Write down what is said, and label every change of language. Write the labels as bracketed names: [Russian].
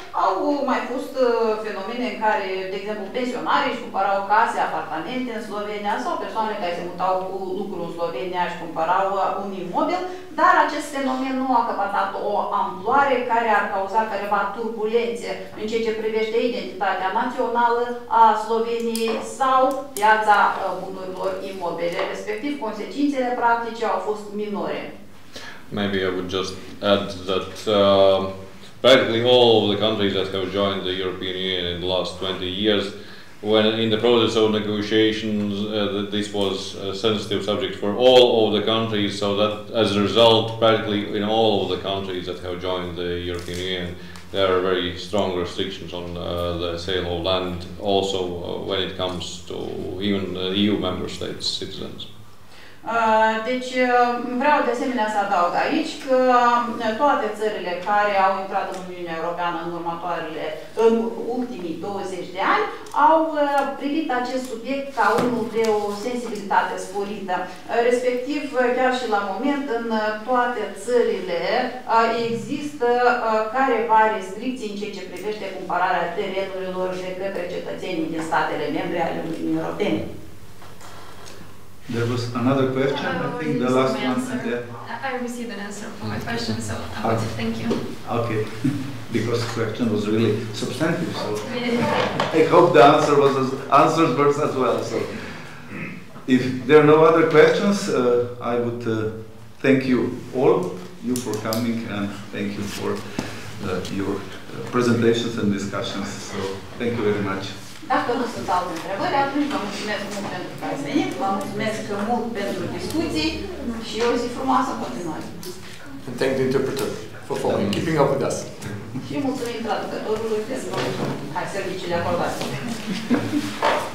[Romanian] Au mai fost fenomene în care, de exemplu, pensionarii își cumpărau case, apartamente în Slovenia sau persoane care se mutau cu lucru în Slovenia și cumpărau un imobil, dar acest fenomen nu a căpătat o amploare care ar cauza careva turbulențe în ceea ce privește identitatea națională a Sloveniei sau piața bunurilor imobile. Respectiv, consecințele practice au fost minore. [English] Maybe I would just add that practically all of the countries that have joined the European Union in the last 20 years when in the process of negotiations that this was a sensitive subject for all of the countries, so that as a result, practically in all of the countries that have joined the European Union, there are very strong restrictions on the sale of land, also when it comes to even EU member states' citizens. [Romanian] Deci vreau de asemenea să adaug aici că toate țările care au intrat în Uniunea Europeană în următoarele, în ultimii 20 de ani au privit acest subiect ca unul de o sensibilitate sporită. Respectiv, chiar și la moment, în toate țările există careva restricții în ceea ce privește cumpărarea terenurilor de către cetățenii din statele membre ale Uniunii Europene. [English] There was another question, I think the last one. Yeah. I received an answer for my question, so I want to thank you. Okay, because the question was really substantive, so I hope the answer was as, answers were as well. So, if there are no other questions, I would thank you all, you for coming, and thank you for your presentations and discussions. So, thank you very much. [Romanian] Dacă nu sunt alte întrebări, atunci vă mulțumesc mult pentru că ați venit, vă mulțumesc mult pentru discuții și o zi frumoasă continuare. [English] And thank the interpreter for following, keeping up with us. [Romanian] Și mulțumim traducătorului pentru serviciile acordate.